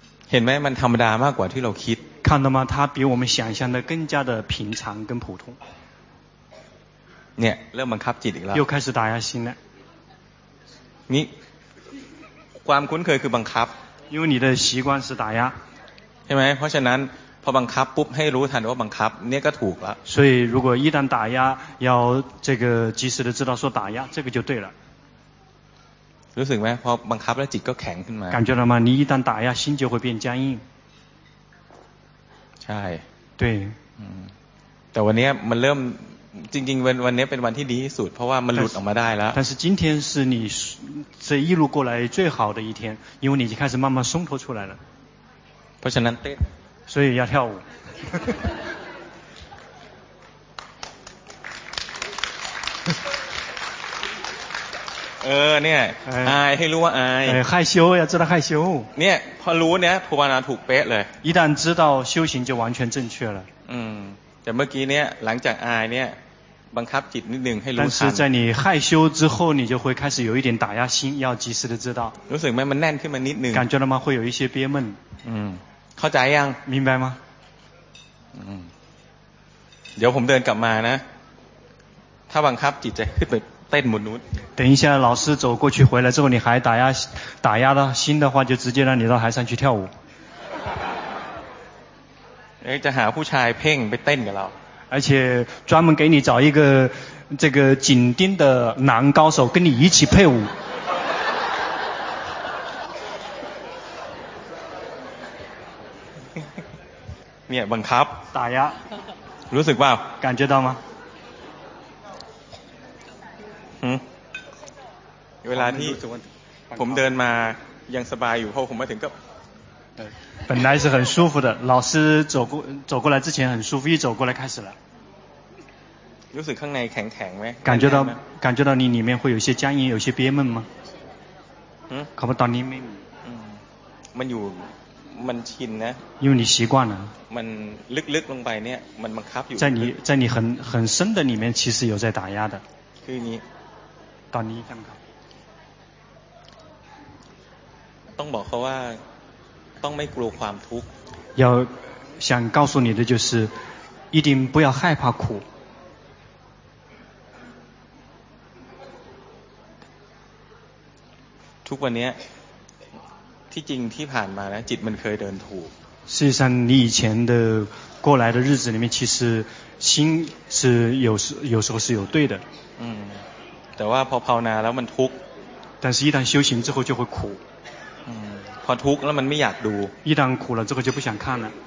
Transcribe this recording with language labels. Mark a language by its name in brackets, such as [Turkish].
[Thai] เห็นไหมมันธรรมดามากกว่าที่เราคิด [Chinese] 看到吗它比我们想象的更加的平常跟普通 [Thai] เนี่ยเริ่มบังคับจิตอีกแล้ว [Chinese] 又开始打压心了 [Thai] นี่ความคุ้นเคยคือบังคับ [Chinese] 因为你的习惯是打压 [Thai] ใช่ไหมเพราะฉะนั้นพอบังคับปุ๊บให้รู้ทันว่าบังคับเนี่ยก็ถูกละ [Chinese] 所以如果一旦打压要这个及时的知道说打压这个就对了 [Thai] รู้สึกไหมพอบังคับแล้วจิตก็แข็งขึ้นมา [Chinese] 感觉了吗你一旦打压心就会变僵硬 [Thai] ใช่ [Chinese] 对 [Thai] แต่วันนี้มันเริ่มจริงๆวันนี้เป็นวันที่ดีที่สุดเพราะว่ามันหลุดออกมาได้แล้ว [Chinese] 但是今天是你这一路过来最好的一天因为你已经开始慢慢松脱出来了 [Thai] เพราะฉะนั้น [English] So you [Chinese] 要跳舞 [Thai] เออเนี่ยอายให้รู้ว่าอาย [Chinese] 害羞要知道害羞 [Thai] เนี่ยพอรู้เนี่ยภาวนาถูกเป๊ะเลย [Chinese] 一旦知道修行就完全正确了 [Thai] แต่เมื่อกี้เนี่ยหลังจากอายเนี่ยบังคับจิตนิดนึงให้รู้ [Chinese] 但是在你害羞之后你就会开始有一点打压心要及时的知道 [Thai] รู้สึกไหมมันแน่นขึ้นมานิดนึง [Chinese] 感觉了吗会有一些憋闷 [Thai] เข้าใจยัง [Chinese] 明白吗 [Thai] เดี๋ยวผมเดินกลับมานะถ้าบังคับจิตจะขึ้นไปเต้นหมุนนู้น [Chinese] 等一下老师走过去回来之后你还打压到心的话就直接让你到台上去跳舞 [Thai] จะหาผู้ชายเพ่งไปเต้นกับเรา [Chinese] 而且专门给你找一个这个紧盯的男高手跟你一起配舞 [Thai] เนี่ยบังคับ ตายะ รู้สึกเปล่า [Chinese] 感觉到吗 [Thai] เวลาที่ผมเดินมายังสบายอยู่เพราะผมมาถึงก็ [Chinese] 本来是很舒服的老师走过来之前很舒服一走过来开始了 [Thai] รู้สึกข้างในแข็งแข็งไหม [Chinese] 感觉到你里面会有些僵硬有些憋闷吗可不 [Thai] ตอนนี้ไม่มันอยู่มันชินนะ [Chinese] 因为你习惯了 [Thai] มันลึกๆ ลงไปเนี่ยมันบังคับอยู่ [Chinese] 在你很深的里面其实有在打压的 [Thai] คือนี้ตอนนี้ใช่ไหมครับ ต้องบอกเขาว่าต้องไม่กลัวความทุกข์ [Chinese] 要想告诉你的就是一定不要害怕苦 [Thai] ทุกวันนี้ที่จริงที่ผ่านมานะจิตมันเคยเดินถูก [Chinese] 事实上你以前的过来的日子里面其实心是有时候是有对的 [Thai] แต่ว่าพอภาวนาแล้วมันทุกข์ [Chinese] 但是一旦修行之后就会苦 [Thai] พอทุกข์แล้วมันไม่อยากดู [Chinese] 一旦苦了之后就不想看了